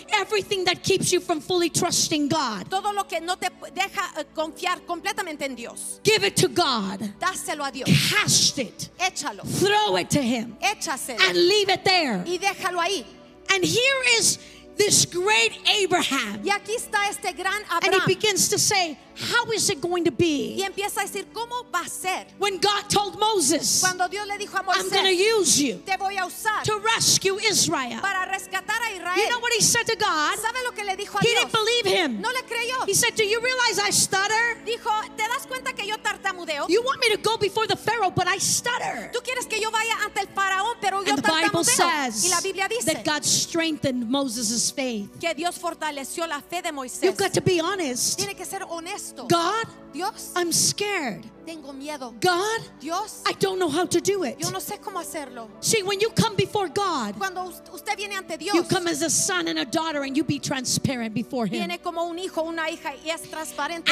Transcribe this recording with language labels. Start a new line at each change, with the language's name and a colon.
English: Everything that keeps you from fully trusting God.
Spanish: Todo lo que no te deja confiar completamente en Dios.
English: Give it to God.
Spanish: Dáselo a Dios.
English: Cast it.
Spanish: Échalo.
English: Throw it to Him.
Spanish: Échaselo.
English: And leave it there.
Spanish: Y déjalo ahí.
English: And here is this great Abraham,
Spanish: y aquí está este gran Abraham,
English: and he begins to say, how is it going to be?
Spanish: Y empieza a decir, ¿cómo va a ser?
English: When God told Moses,
Spanish: cuando Dios le dijo a Moisés,
English: I'm going to use you,
Spanish: te voy a usar,
English: to rescue Israel,
Spanish: para rescatar a Israel.
English: You know what he said to God?
Spanish: ¿Sabe lo que le dijo a
English: he
Spanish: Dios?
English: Didn't believe him.
Spanish: No le creyó.
English: He said, do you realize I stutter?
Spanish: Dijo, ¿te das cuenta que yo tartamudeo?
English: You want me to go before the Pharaoh, but I stutter.
Spanish: ¿Tú quieres que yo vaya ante el faraón, pero yo tartamudeo?
English: The Bible says,
Spanish: y la Biblia dice,
English: that God strengthened Moses' faith.
Spanish: Que Dios fortaleció la fe de Moisés.
English: You've got to be honest.
Spanish: Tiene que ser honesto.
English: God,
Spanish: Dios,
English: I'm scared.
Spanish: Tengo miedo.
English: God,
Spanish: Dios,
English: I don't know how to do it.
Spanish: Yo no sé cómo hacerlo.
English: See, when you come before God,
Spanish: cuando usted viene ante Dios,
English: you come as a son and a daughter and you be transparent before Him.
Spanish: Viene como un hijo, una hija, y es transparente